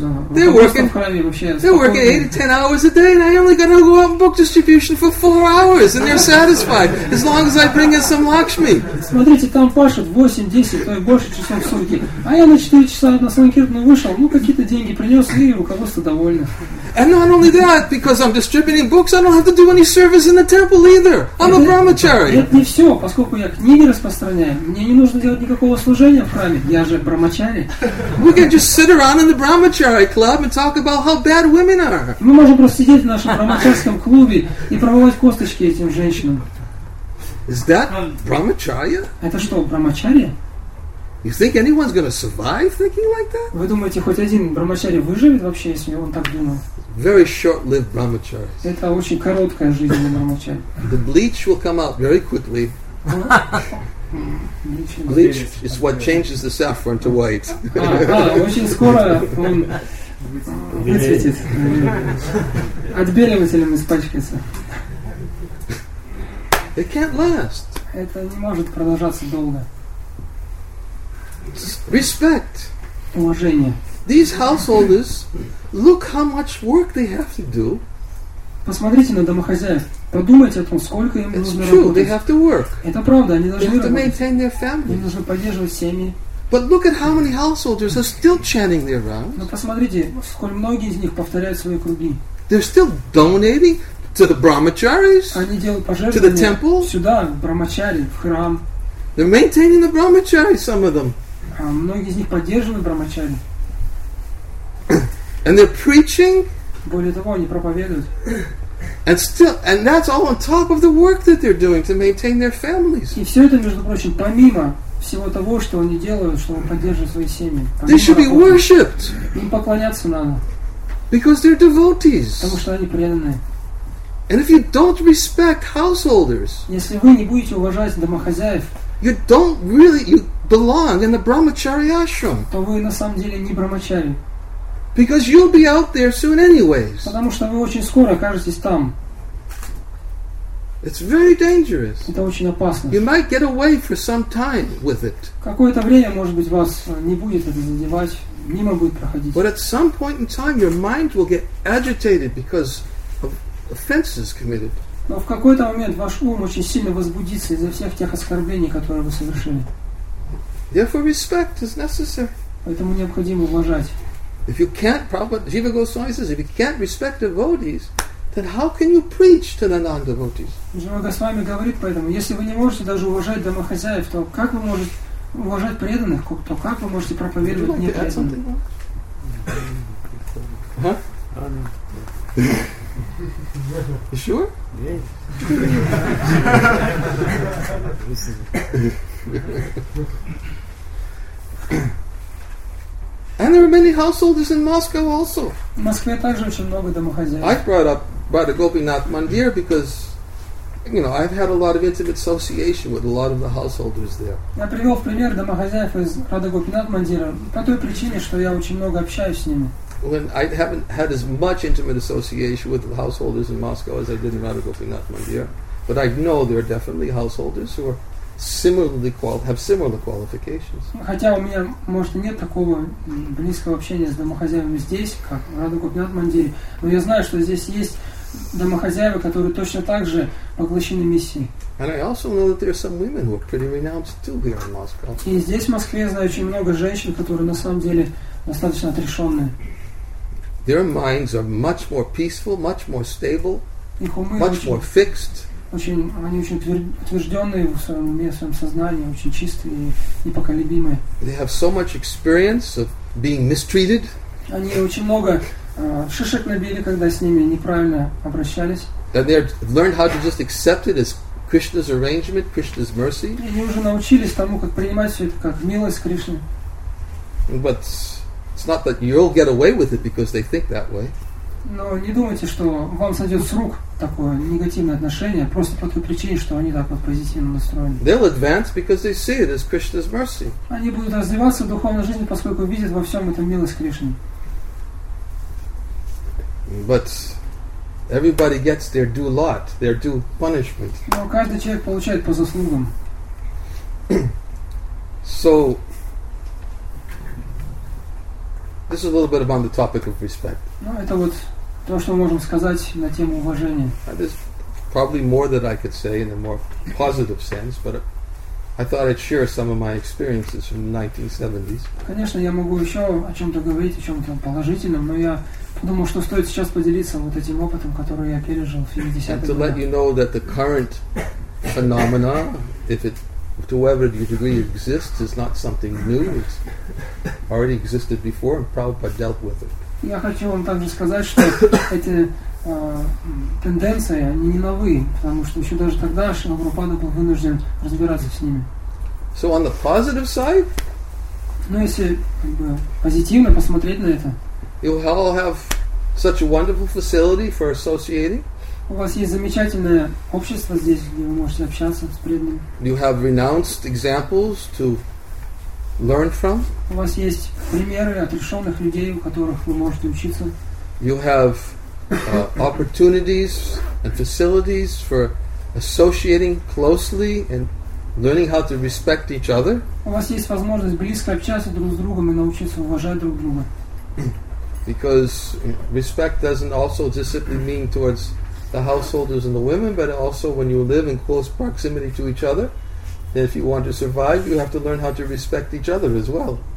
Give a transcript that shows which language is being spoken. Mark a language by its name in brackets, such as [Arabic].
[Russian] работы в храме вообще? [English] They're working 8-10 hours a day, and I only got to go out and book distribution for 4 hours, and they're satisfied as long as I bring in some Lakshmi. [Russian] Смотрите, там пашут 8-10, то и больше часов в сутки, а я на 4 часа на санкиртную вышел, ну какие-то деньги принес, и руководство довольно. [English] And not only that, because I'm distributing books, I don't have to do any service in the temple either. I'm a brahmachari. [Russian] Это не все, поскольку я книги распространяю, мне не нужно делать никакого служения в храме, я же брамачари. [English] We can just sit around in the brahmachari club and talk about how bad women are. [Russian] Мы можем просто сидеть в нашем брамачарском клубе и пробовать косточки этим женщинам. [English] Is that brahmacharya? [Russian] Это что, брамачария? [English] You think anyone's going to survive thinking like that? [Russian] Вы думаете, хоть один брамачари выживет вообще, если он так думал? [English] Very short-lived brahmacharis. [Russian] Это очень короткая жизнь у брамачари. [English] The bleach will come out very quickly. Bleach is what changes the saffron to white. [Russian] Очень скоро он выцветит. Отбеливателем испачкается. [English] It can't last. [Russian] Это не может продолжаться долго. [English] Respect. [Russian] Уважение. [English] These householders, look how much work they have to do. [Russian] Посмотрите на домохозяев. Подумайте о том, сколько им нужно работать. [English] It's true. They have to work. [Russian] Это правда. Они должны работать. [English] They have to maintain their family. [Russian] Им нужно поддерживать семьи. [English] But look at how many householders are still chanting their rounds. [Russian] Но посмотрите, сколь многие из них повторяют свои круги. [English] They're still donating to the brahmacharis. [Russian] Они делают пожертвования. [English] To the temple. [Russian] Сюда, в брамачари, в храм. [English] They're maintaining the brahmachari, some of them. [Russian] Многие из них поддерживают брамачари. [English] And they're preaching. [Russian] Более того, они проповедуют. [English] And still, and that's all on top of the work that they're doing to maintain their families. [Russian] И все это, между прочим, помимо всего того, что они делают, чтобы поддерживать свои семьи. [English] They should be worshipped. [Russian] Им поклоняться надо. [English] Because they're devotees. [Russian] Потому что они преданные. [English] And if you don't respect householders. [Russian] Если вы не будете уважать домохозяев. [English] You don't really you belong in the brahmachari ashram. [Russian] То вы на самом деле не брамачари. [English] Because you'll be out there soon anyways. [Russian] Потому что вы очень скоро окажетесь там. [English] It's very dangerous. [Russian] Это очень опасно. [English] You might get away for some time with it. [Russian] Какое-то время, может быть, вас не будет это задевать, мимо будет проходить. [English] But at some point in time, your mind will get agitated because of offenses committed. [Russian] Но в какой-то момент ваш ум очень сильно возбудится из-за всех тех оскорблений, которые вы совершили. [English] Therefore, respect is necessary. [Russian] Поэтому необходимо уважать. [English] If you can't properly, Jiva Goswami says, if you can't respect devotees, then how can you preach to the non-devotees? [Russian] Jiva Goswami говорит поэтому, если вы не можете даже уважать домохозяев, то как вы можете уважать преданных, то как вы можете проповедовать непреданным? [English] Huh? You sure? And there are many householders in Moscow also. [Russian] В Москве также очень много домохозяев. [English] I brought up Gopinath Mandir because, you know, I've had a lot of intimate association with a lot of the householders there. [Russian] Я привел в пример домохозяев из Радхагопинат Мандира по той причине, что я очень много общаюсь с ними. [English] When I haven't had as much intimate association with the householders in Moscow as I did in Radhagopinath Mandir, but I know there are definitely householders who are similarly have similar qualifications. [Russian] Хотя у меня, может, нет такого близкого общения с домохозяевами здесь, как в Радхагопинат Мандире, но я знаю, что здесь есть домохозяева, которые точно так же поглощены миссией. [English] And I also know that there are some women who are pretty renounced still here in Moscow. [Russian] И здесь, в Москве, я знаю очень много женщин, которые на самом деле достаточно отрешенные. [English] Their minds are much more peaceful, much more stable, much more fixed. [Russian] Очень, они очень утвержденные в своем уме, в своем сознании, очень чистые и непоколебимые. [English] They have so much experience of being mistreated. [Russian] Они очень много шишек набили, когда с ними неправильно обращались. [English] And they learned how to just accept it as Krishna's arrangement, Krishna's mercy. [Russian] И они уже научились тому, как принимать все это как милость Кришны. [English] But it's not that you'll get away with it because they think that way. [Russian] Но не думайте, что вам сойдет с рук такое негативное отношение просто по той причине, что они так вот позитивно настроены. [English] They'll advance because they see it as Krishna's mercy. [Russian] Они будут развиваться в духовной жизни, поскольку видят во всем это милость Кришны. [English] But everybody gets their due lot, their due punishment. [Russian] Но каждый человек получает по заслугам. [English] So this is a little bit about the topic of respect. [Russian] Ну это вот то, что мы можем сказать на тему уважения. [English] There's probably more that I could say in a more positive sense, but I thought I'd share some of my experiences from the 1970s. [Russian] Конечно, я могу еще о чем-то говорить, о чем-то положительном, но я думал, что стоит сейчас поделиться вот этим опытом, который я пережил в 70-х годах. [English] To let you know that the current phenomena, if it to whatever degree it exists, is not something new. It's already existed before, and Prabhupada dealt with it. [Russian] Я хочу вам также сказать, что эти тенденции, они не новые, потому что еще даже тогда Шрила Прабхупада был вынужден разбираться с ними. [English] So on the positive side? [Russian] Ну, если как бы позитивно посмотреть на это. [English] You all have such a wonderful facility for associating. [Russian] У вас есть замечательное общество здесь, где вы можете общаться с преданными. [English] You have renounced examples to learn from. [Russian] У вас есть примеры отрешенных людей, у которых вы можете учиться. [English] You have opportunities and facilities for associating closely and learning how to respect each other. [Russian] У вас есть возможность близко общаться друг с другом и научиться уважать друг друга. [English] Because respect doesn't also just simply mean towards the householders and the women, but also when you live in close proximity to each other. And if you want to survive, you have to learn how to respect each other as well.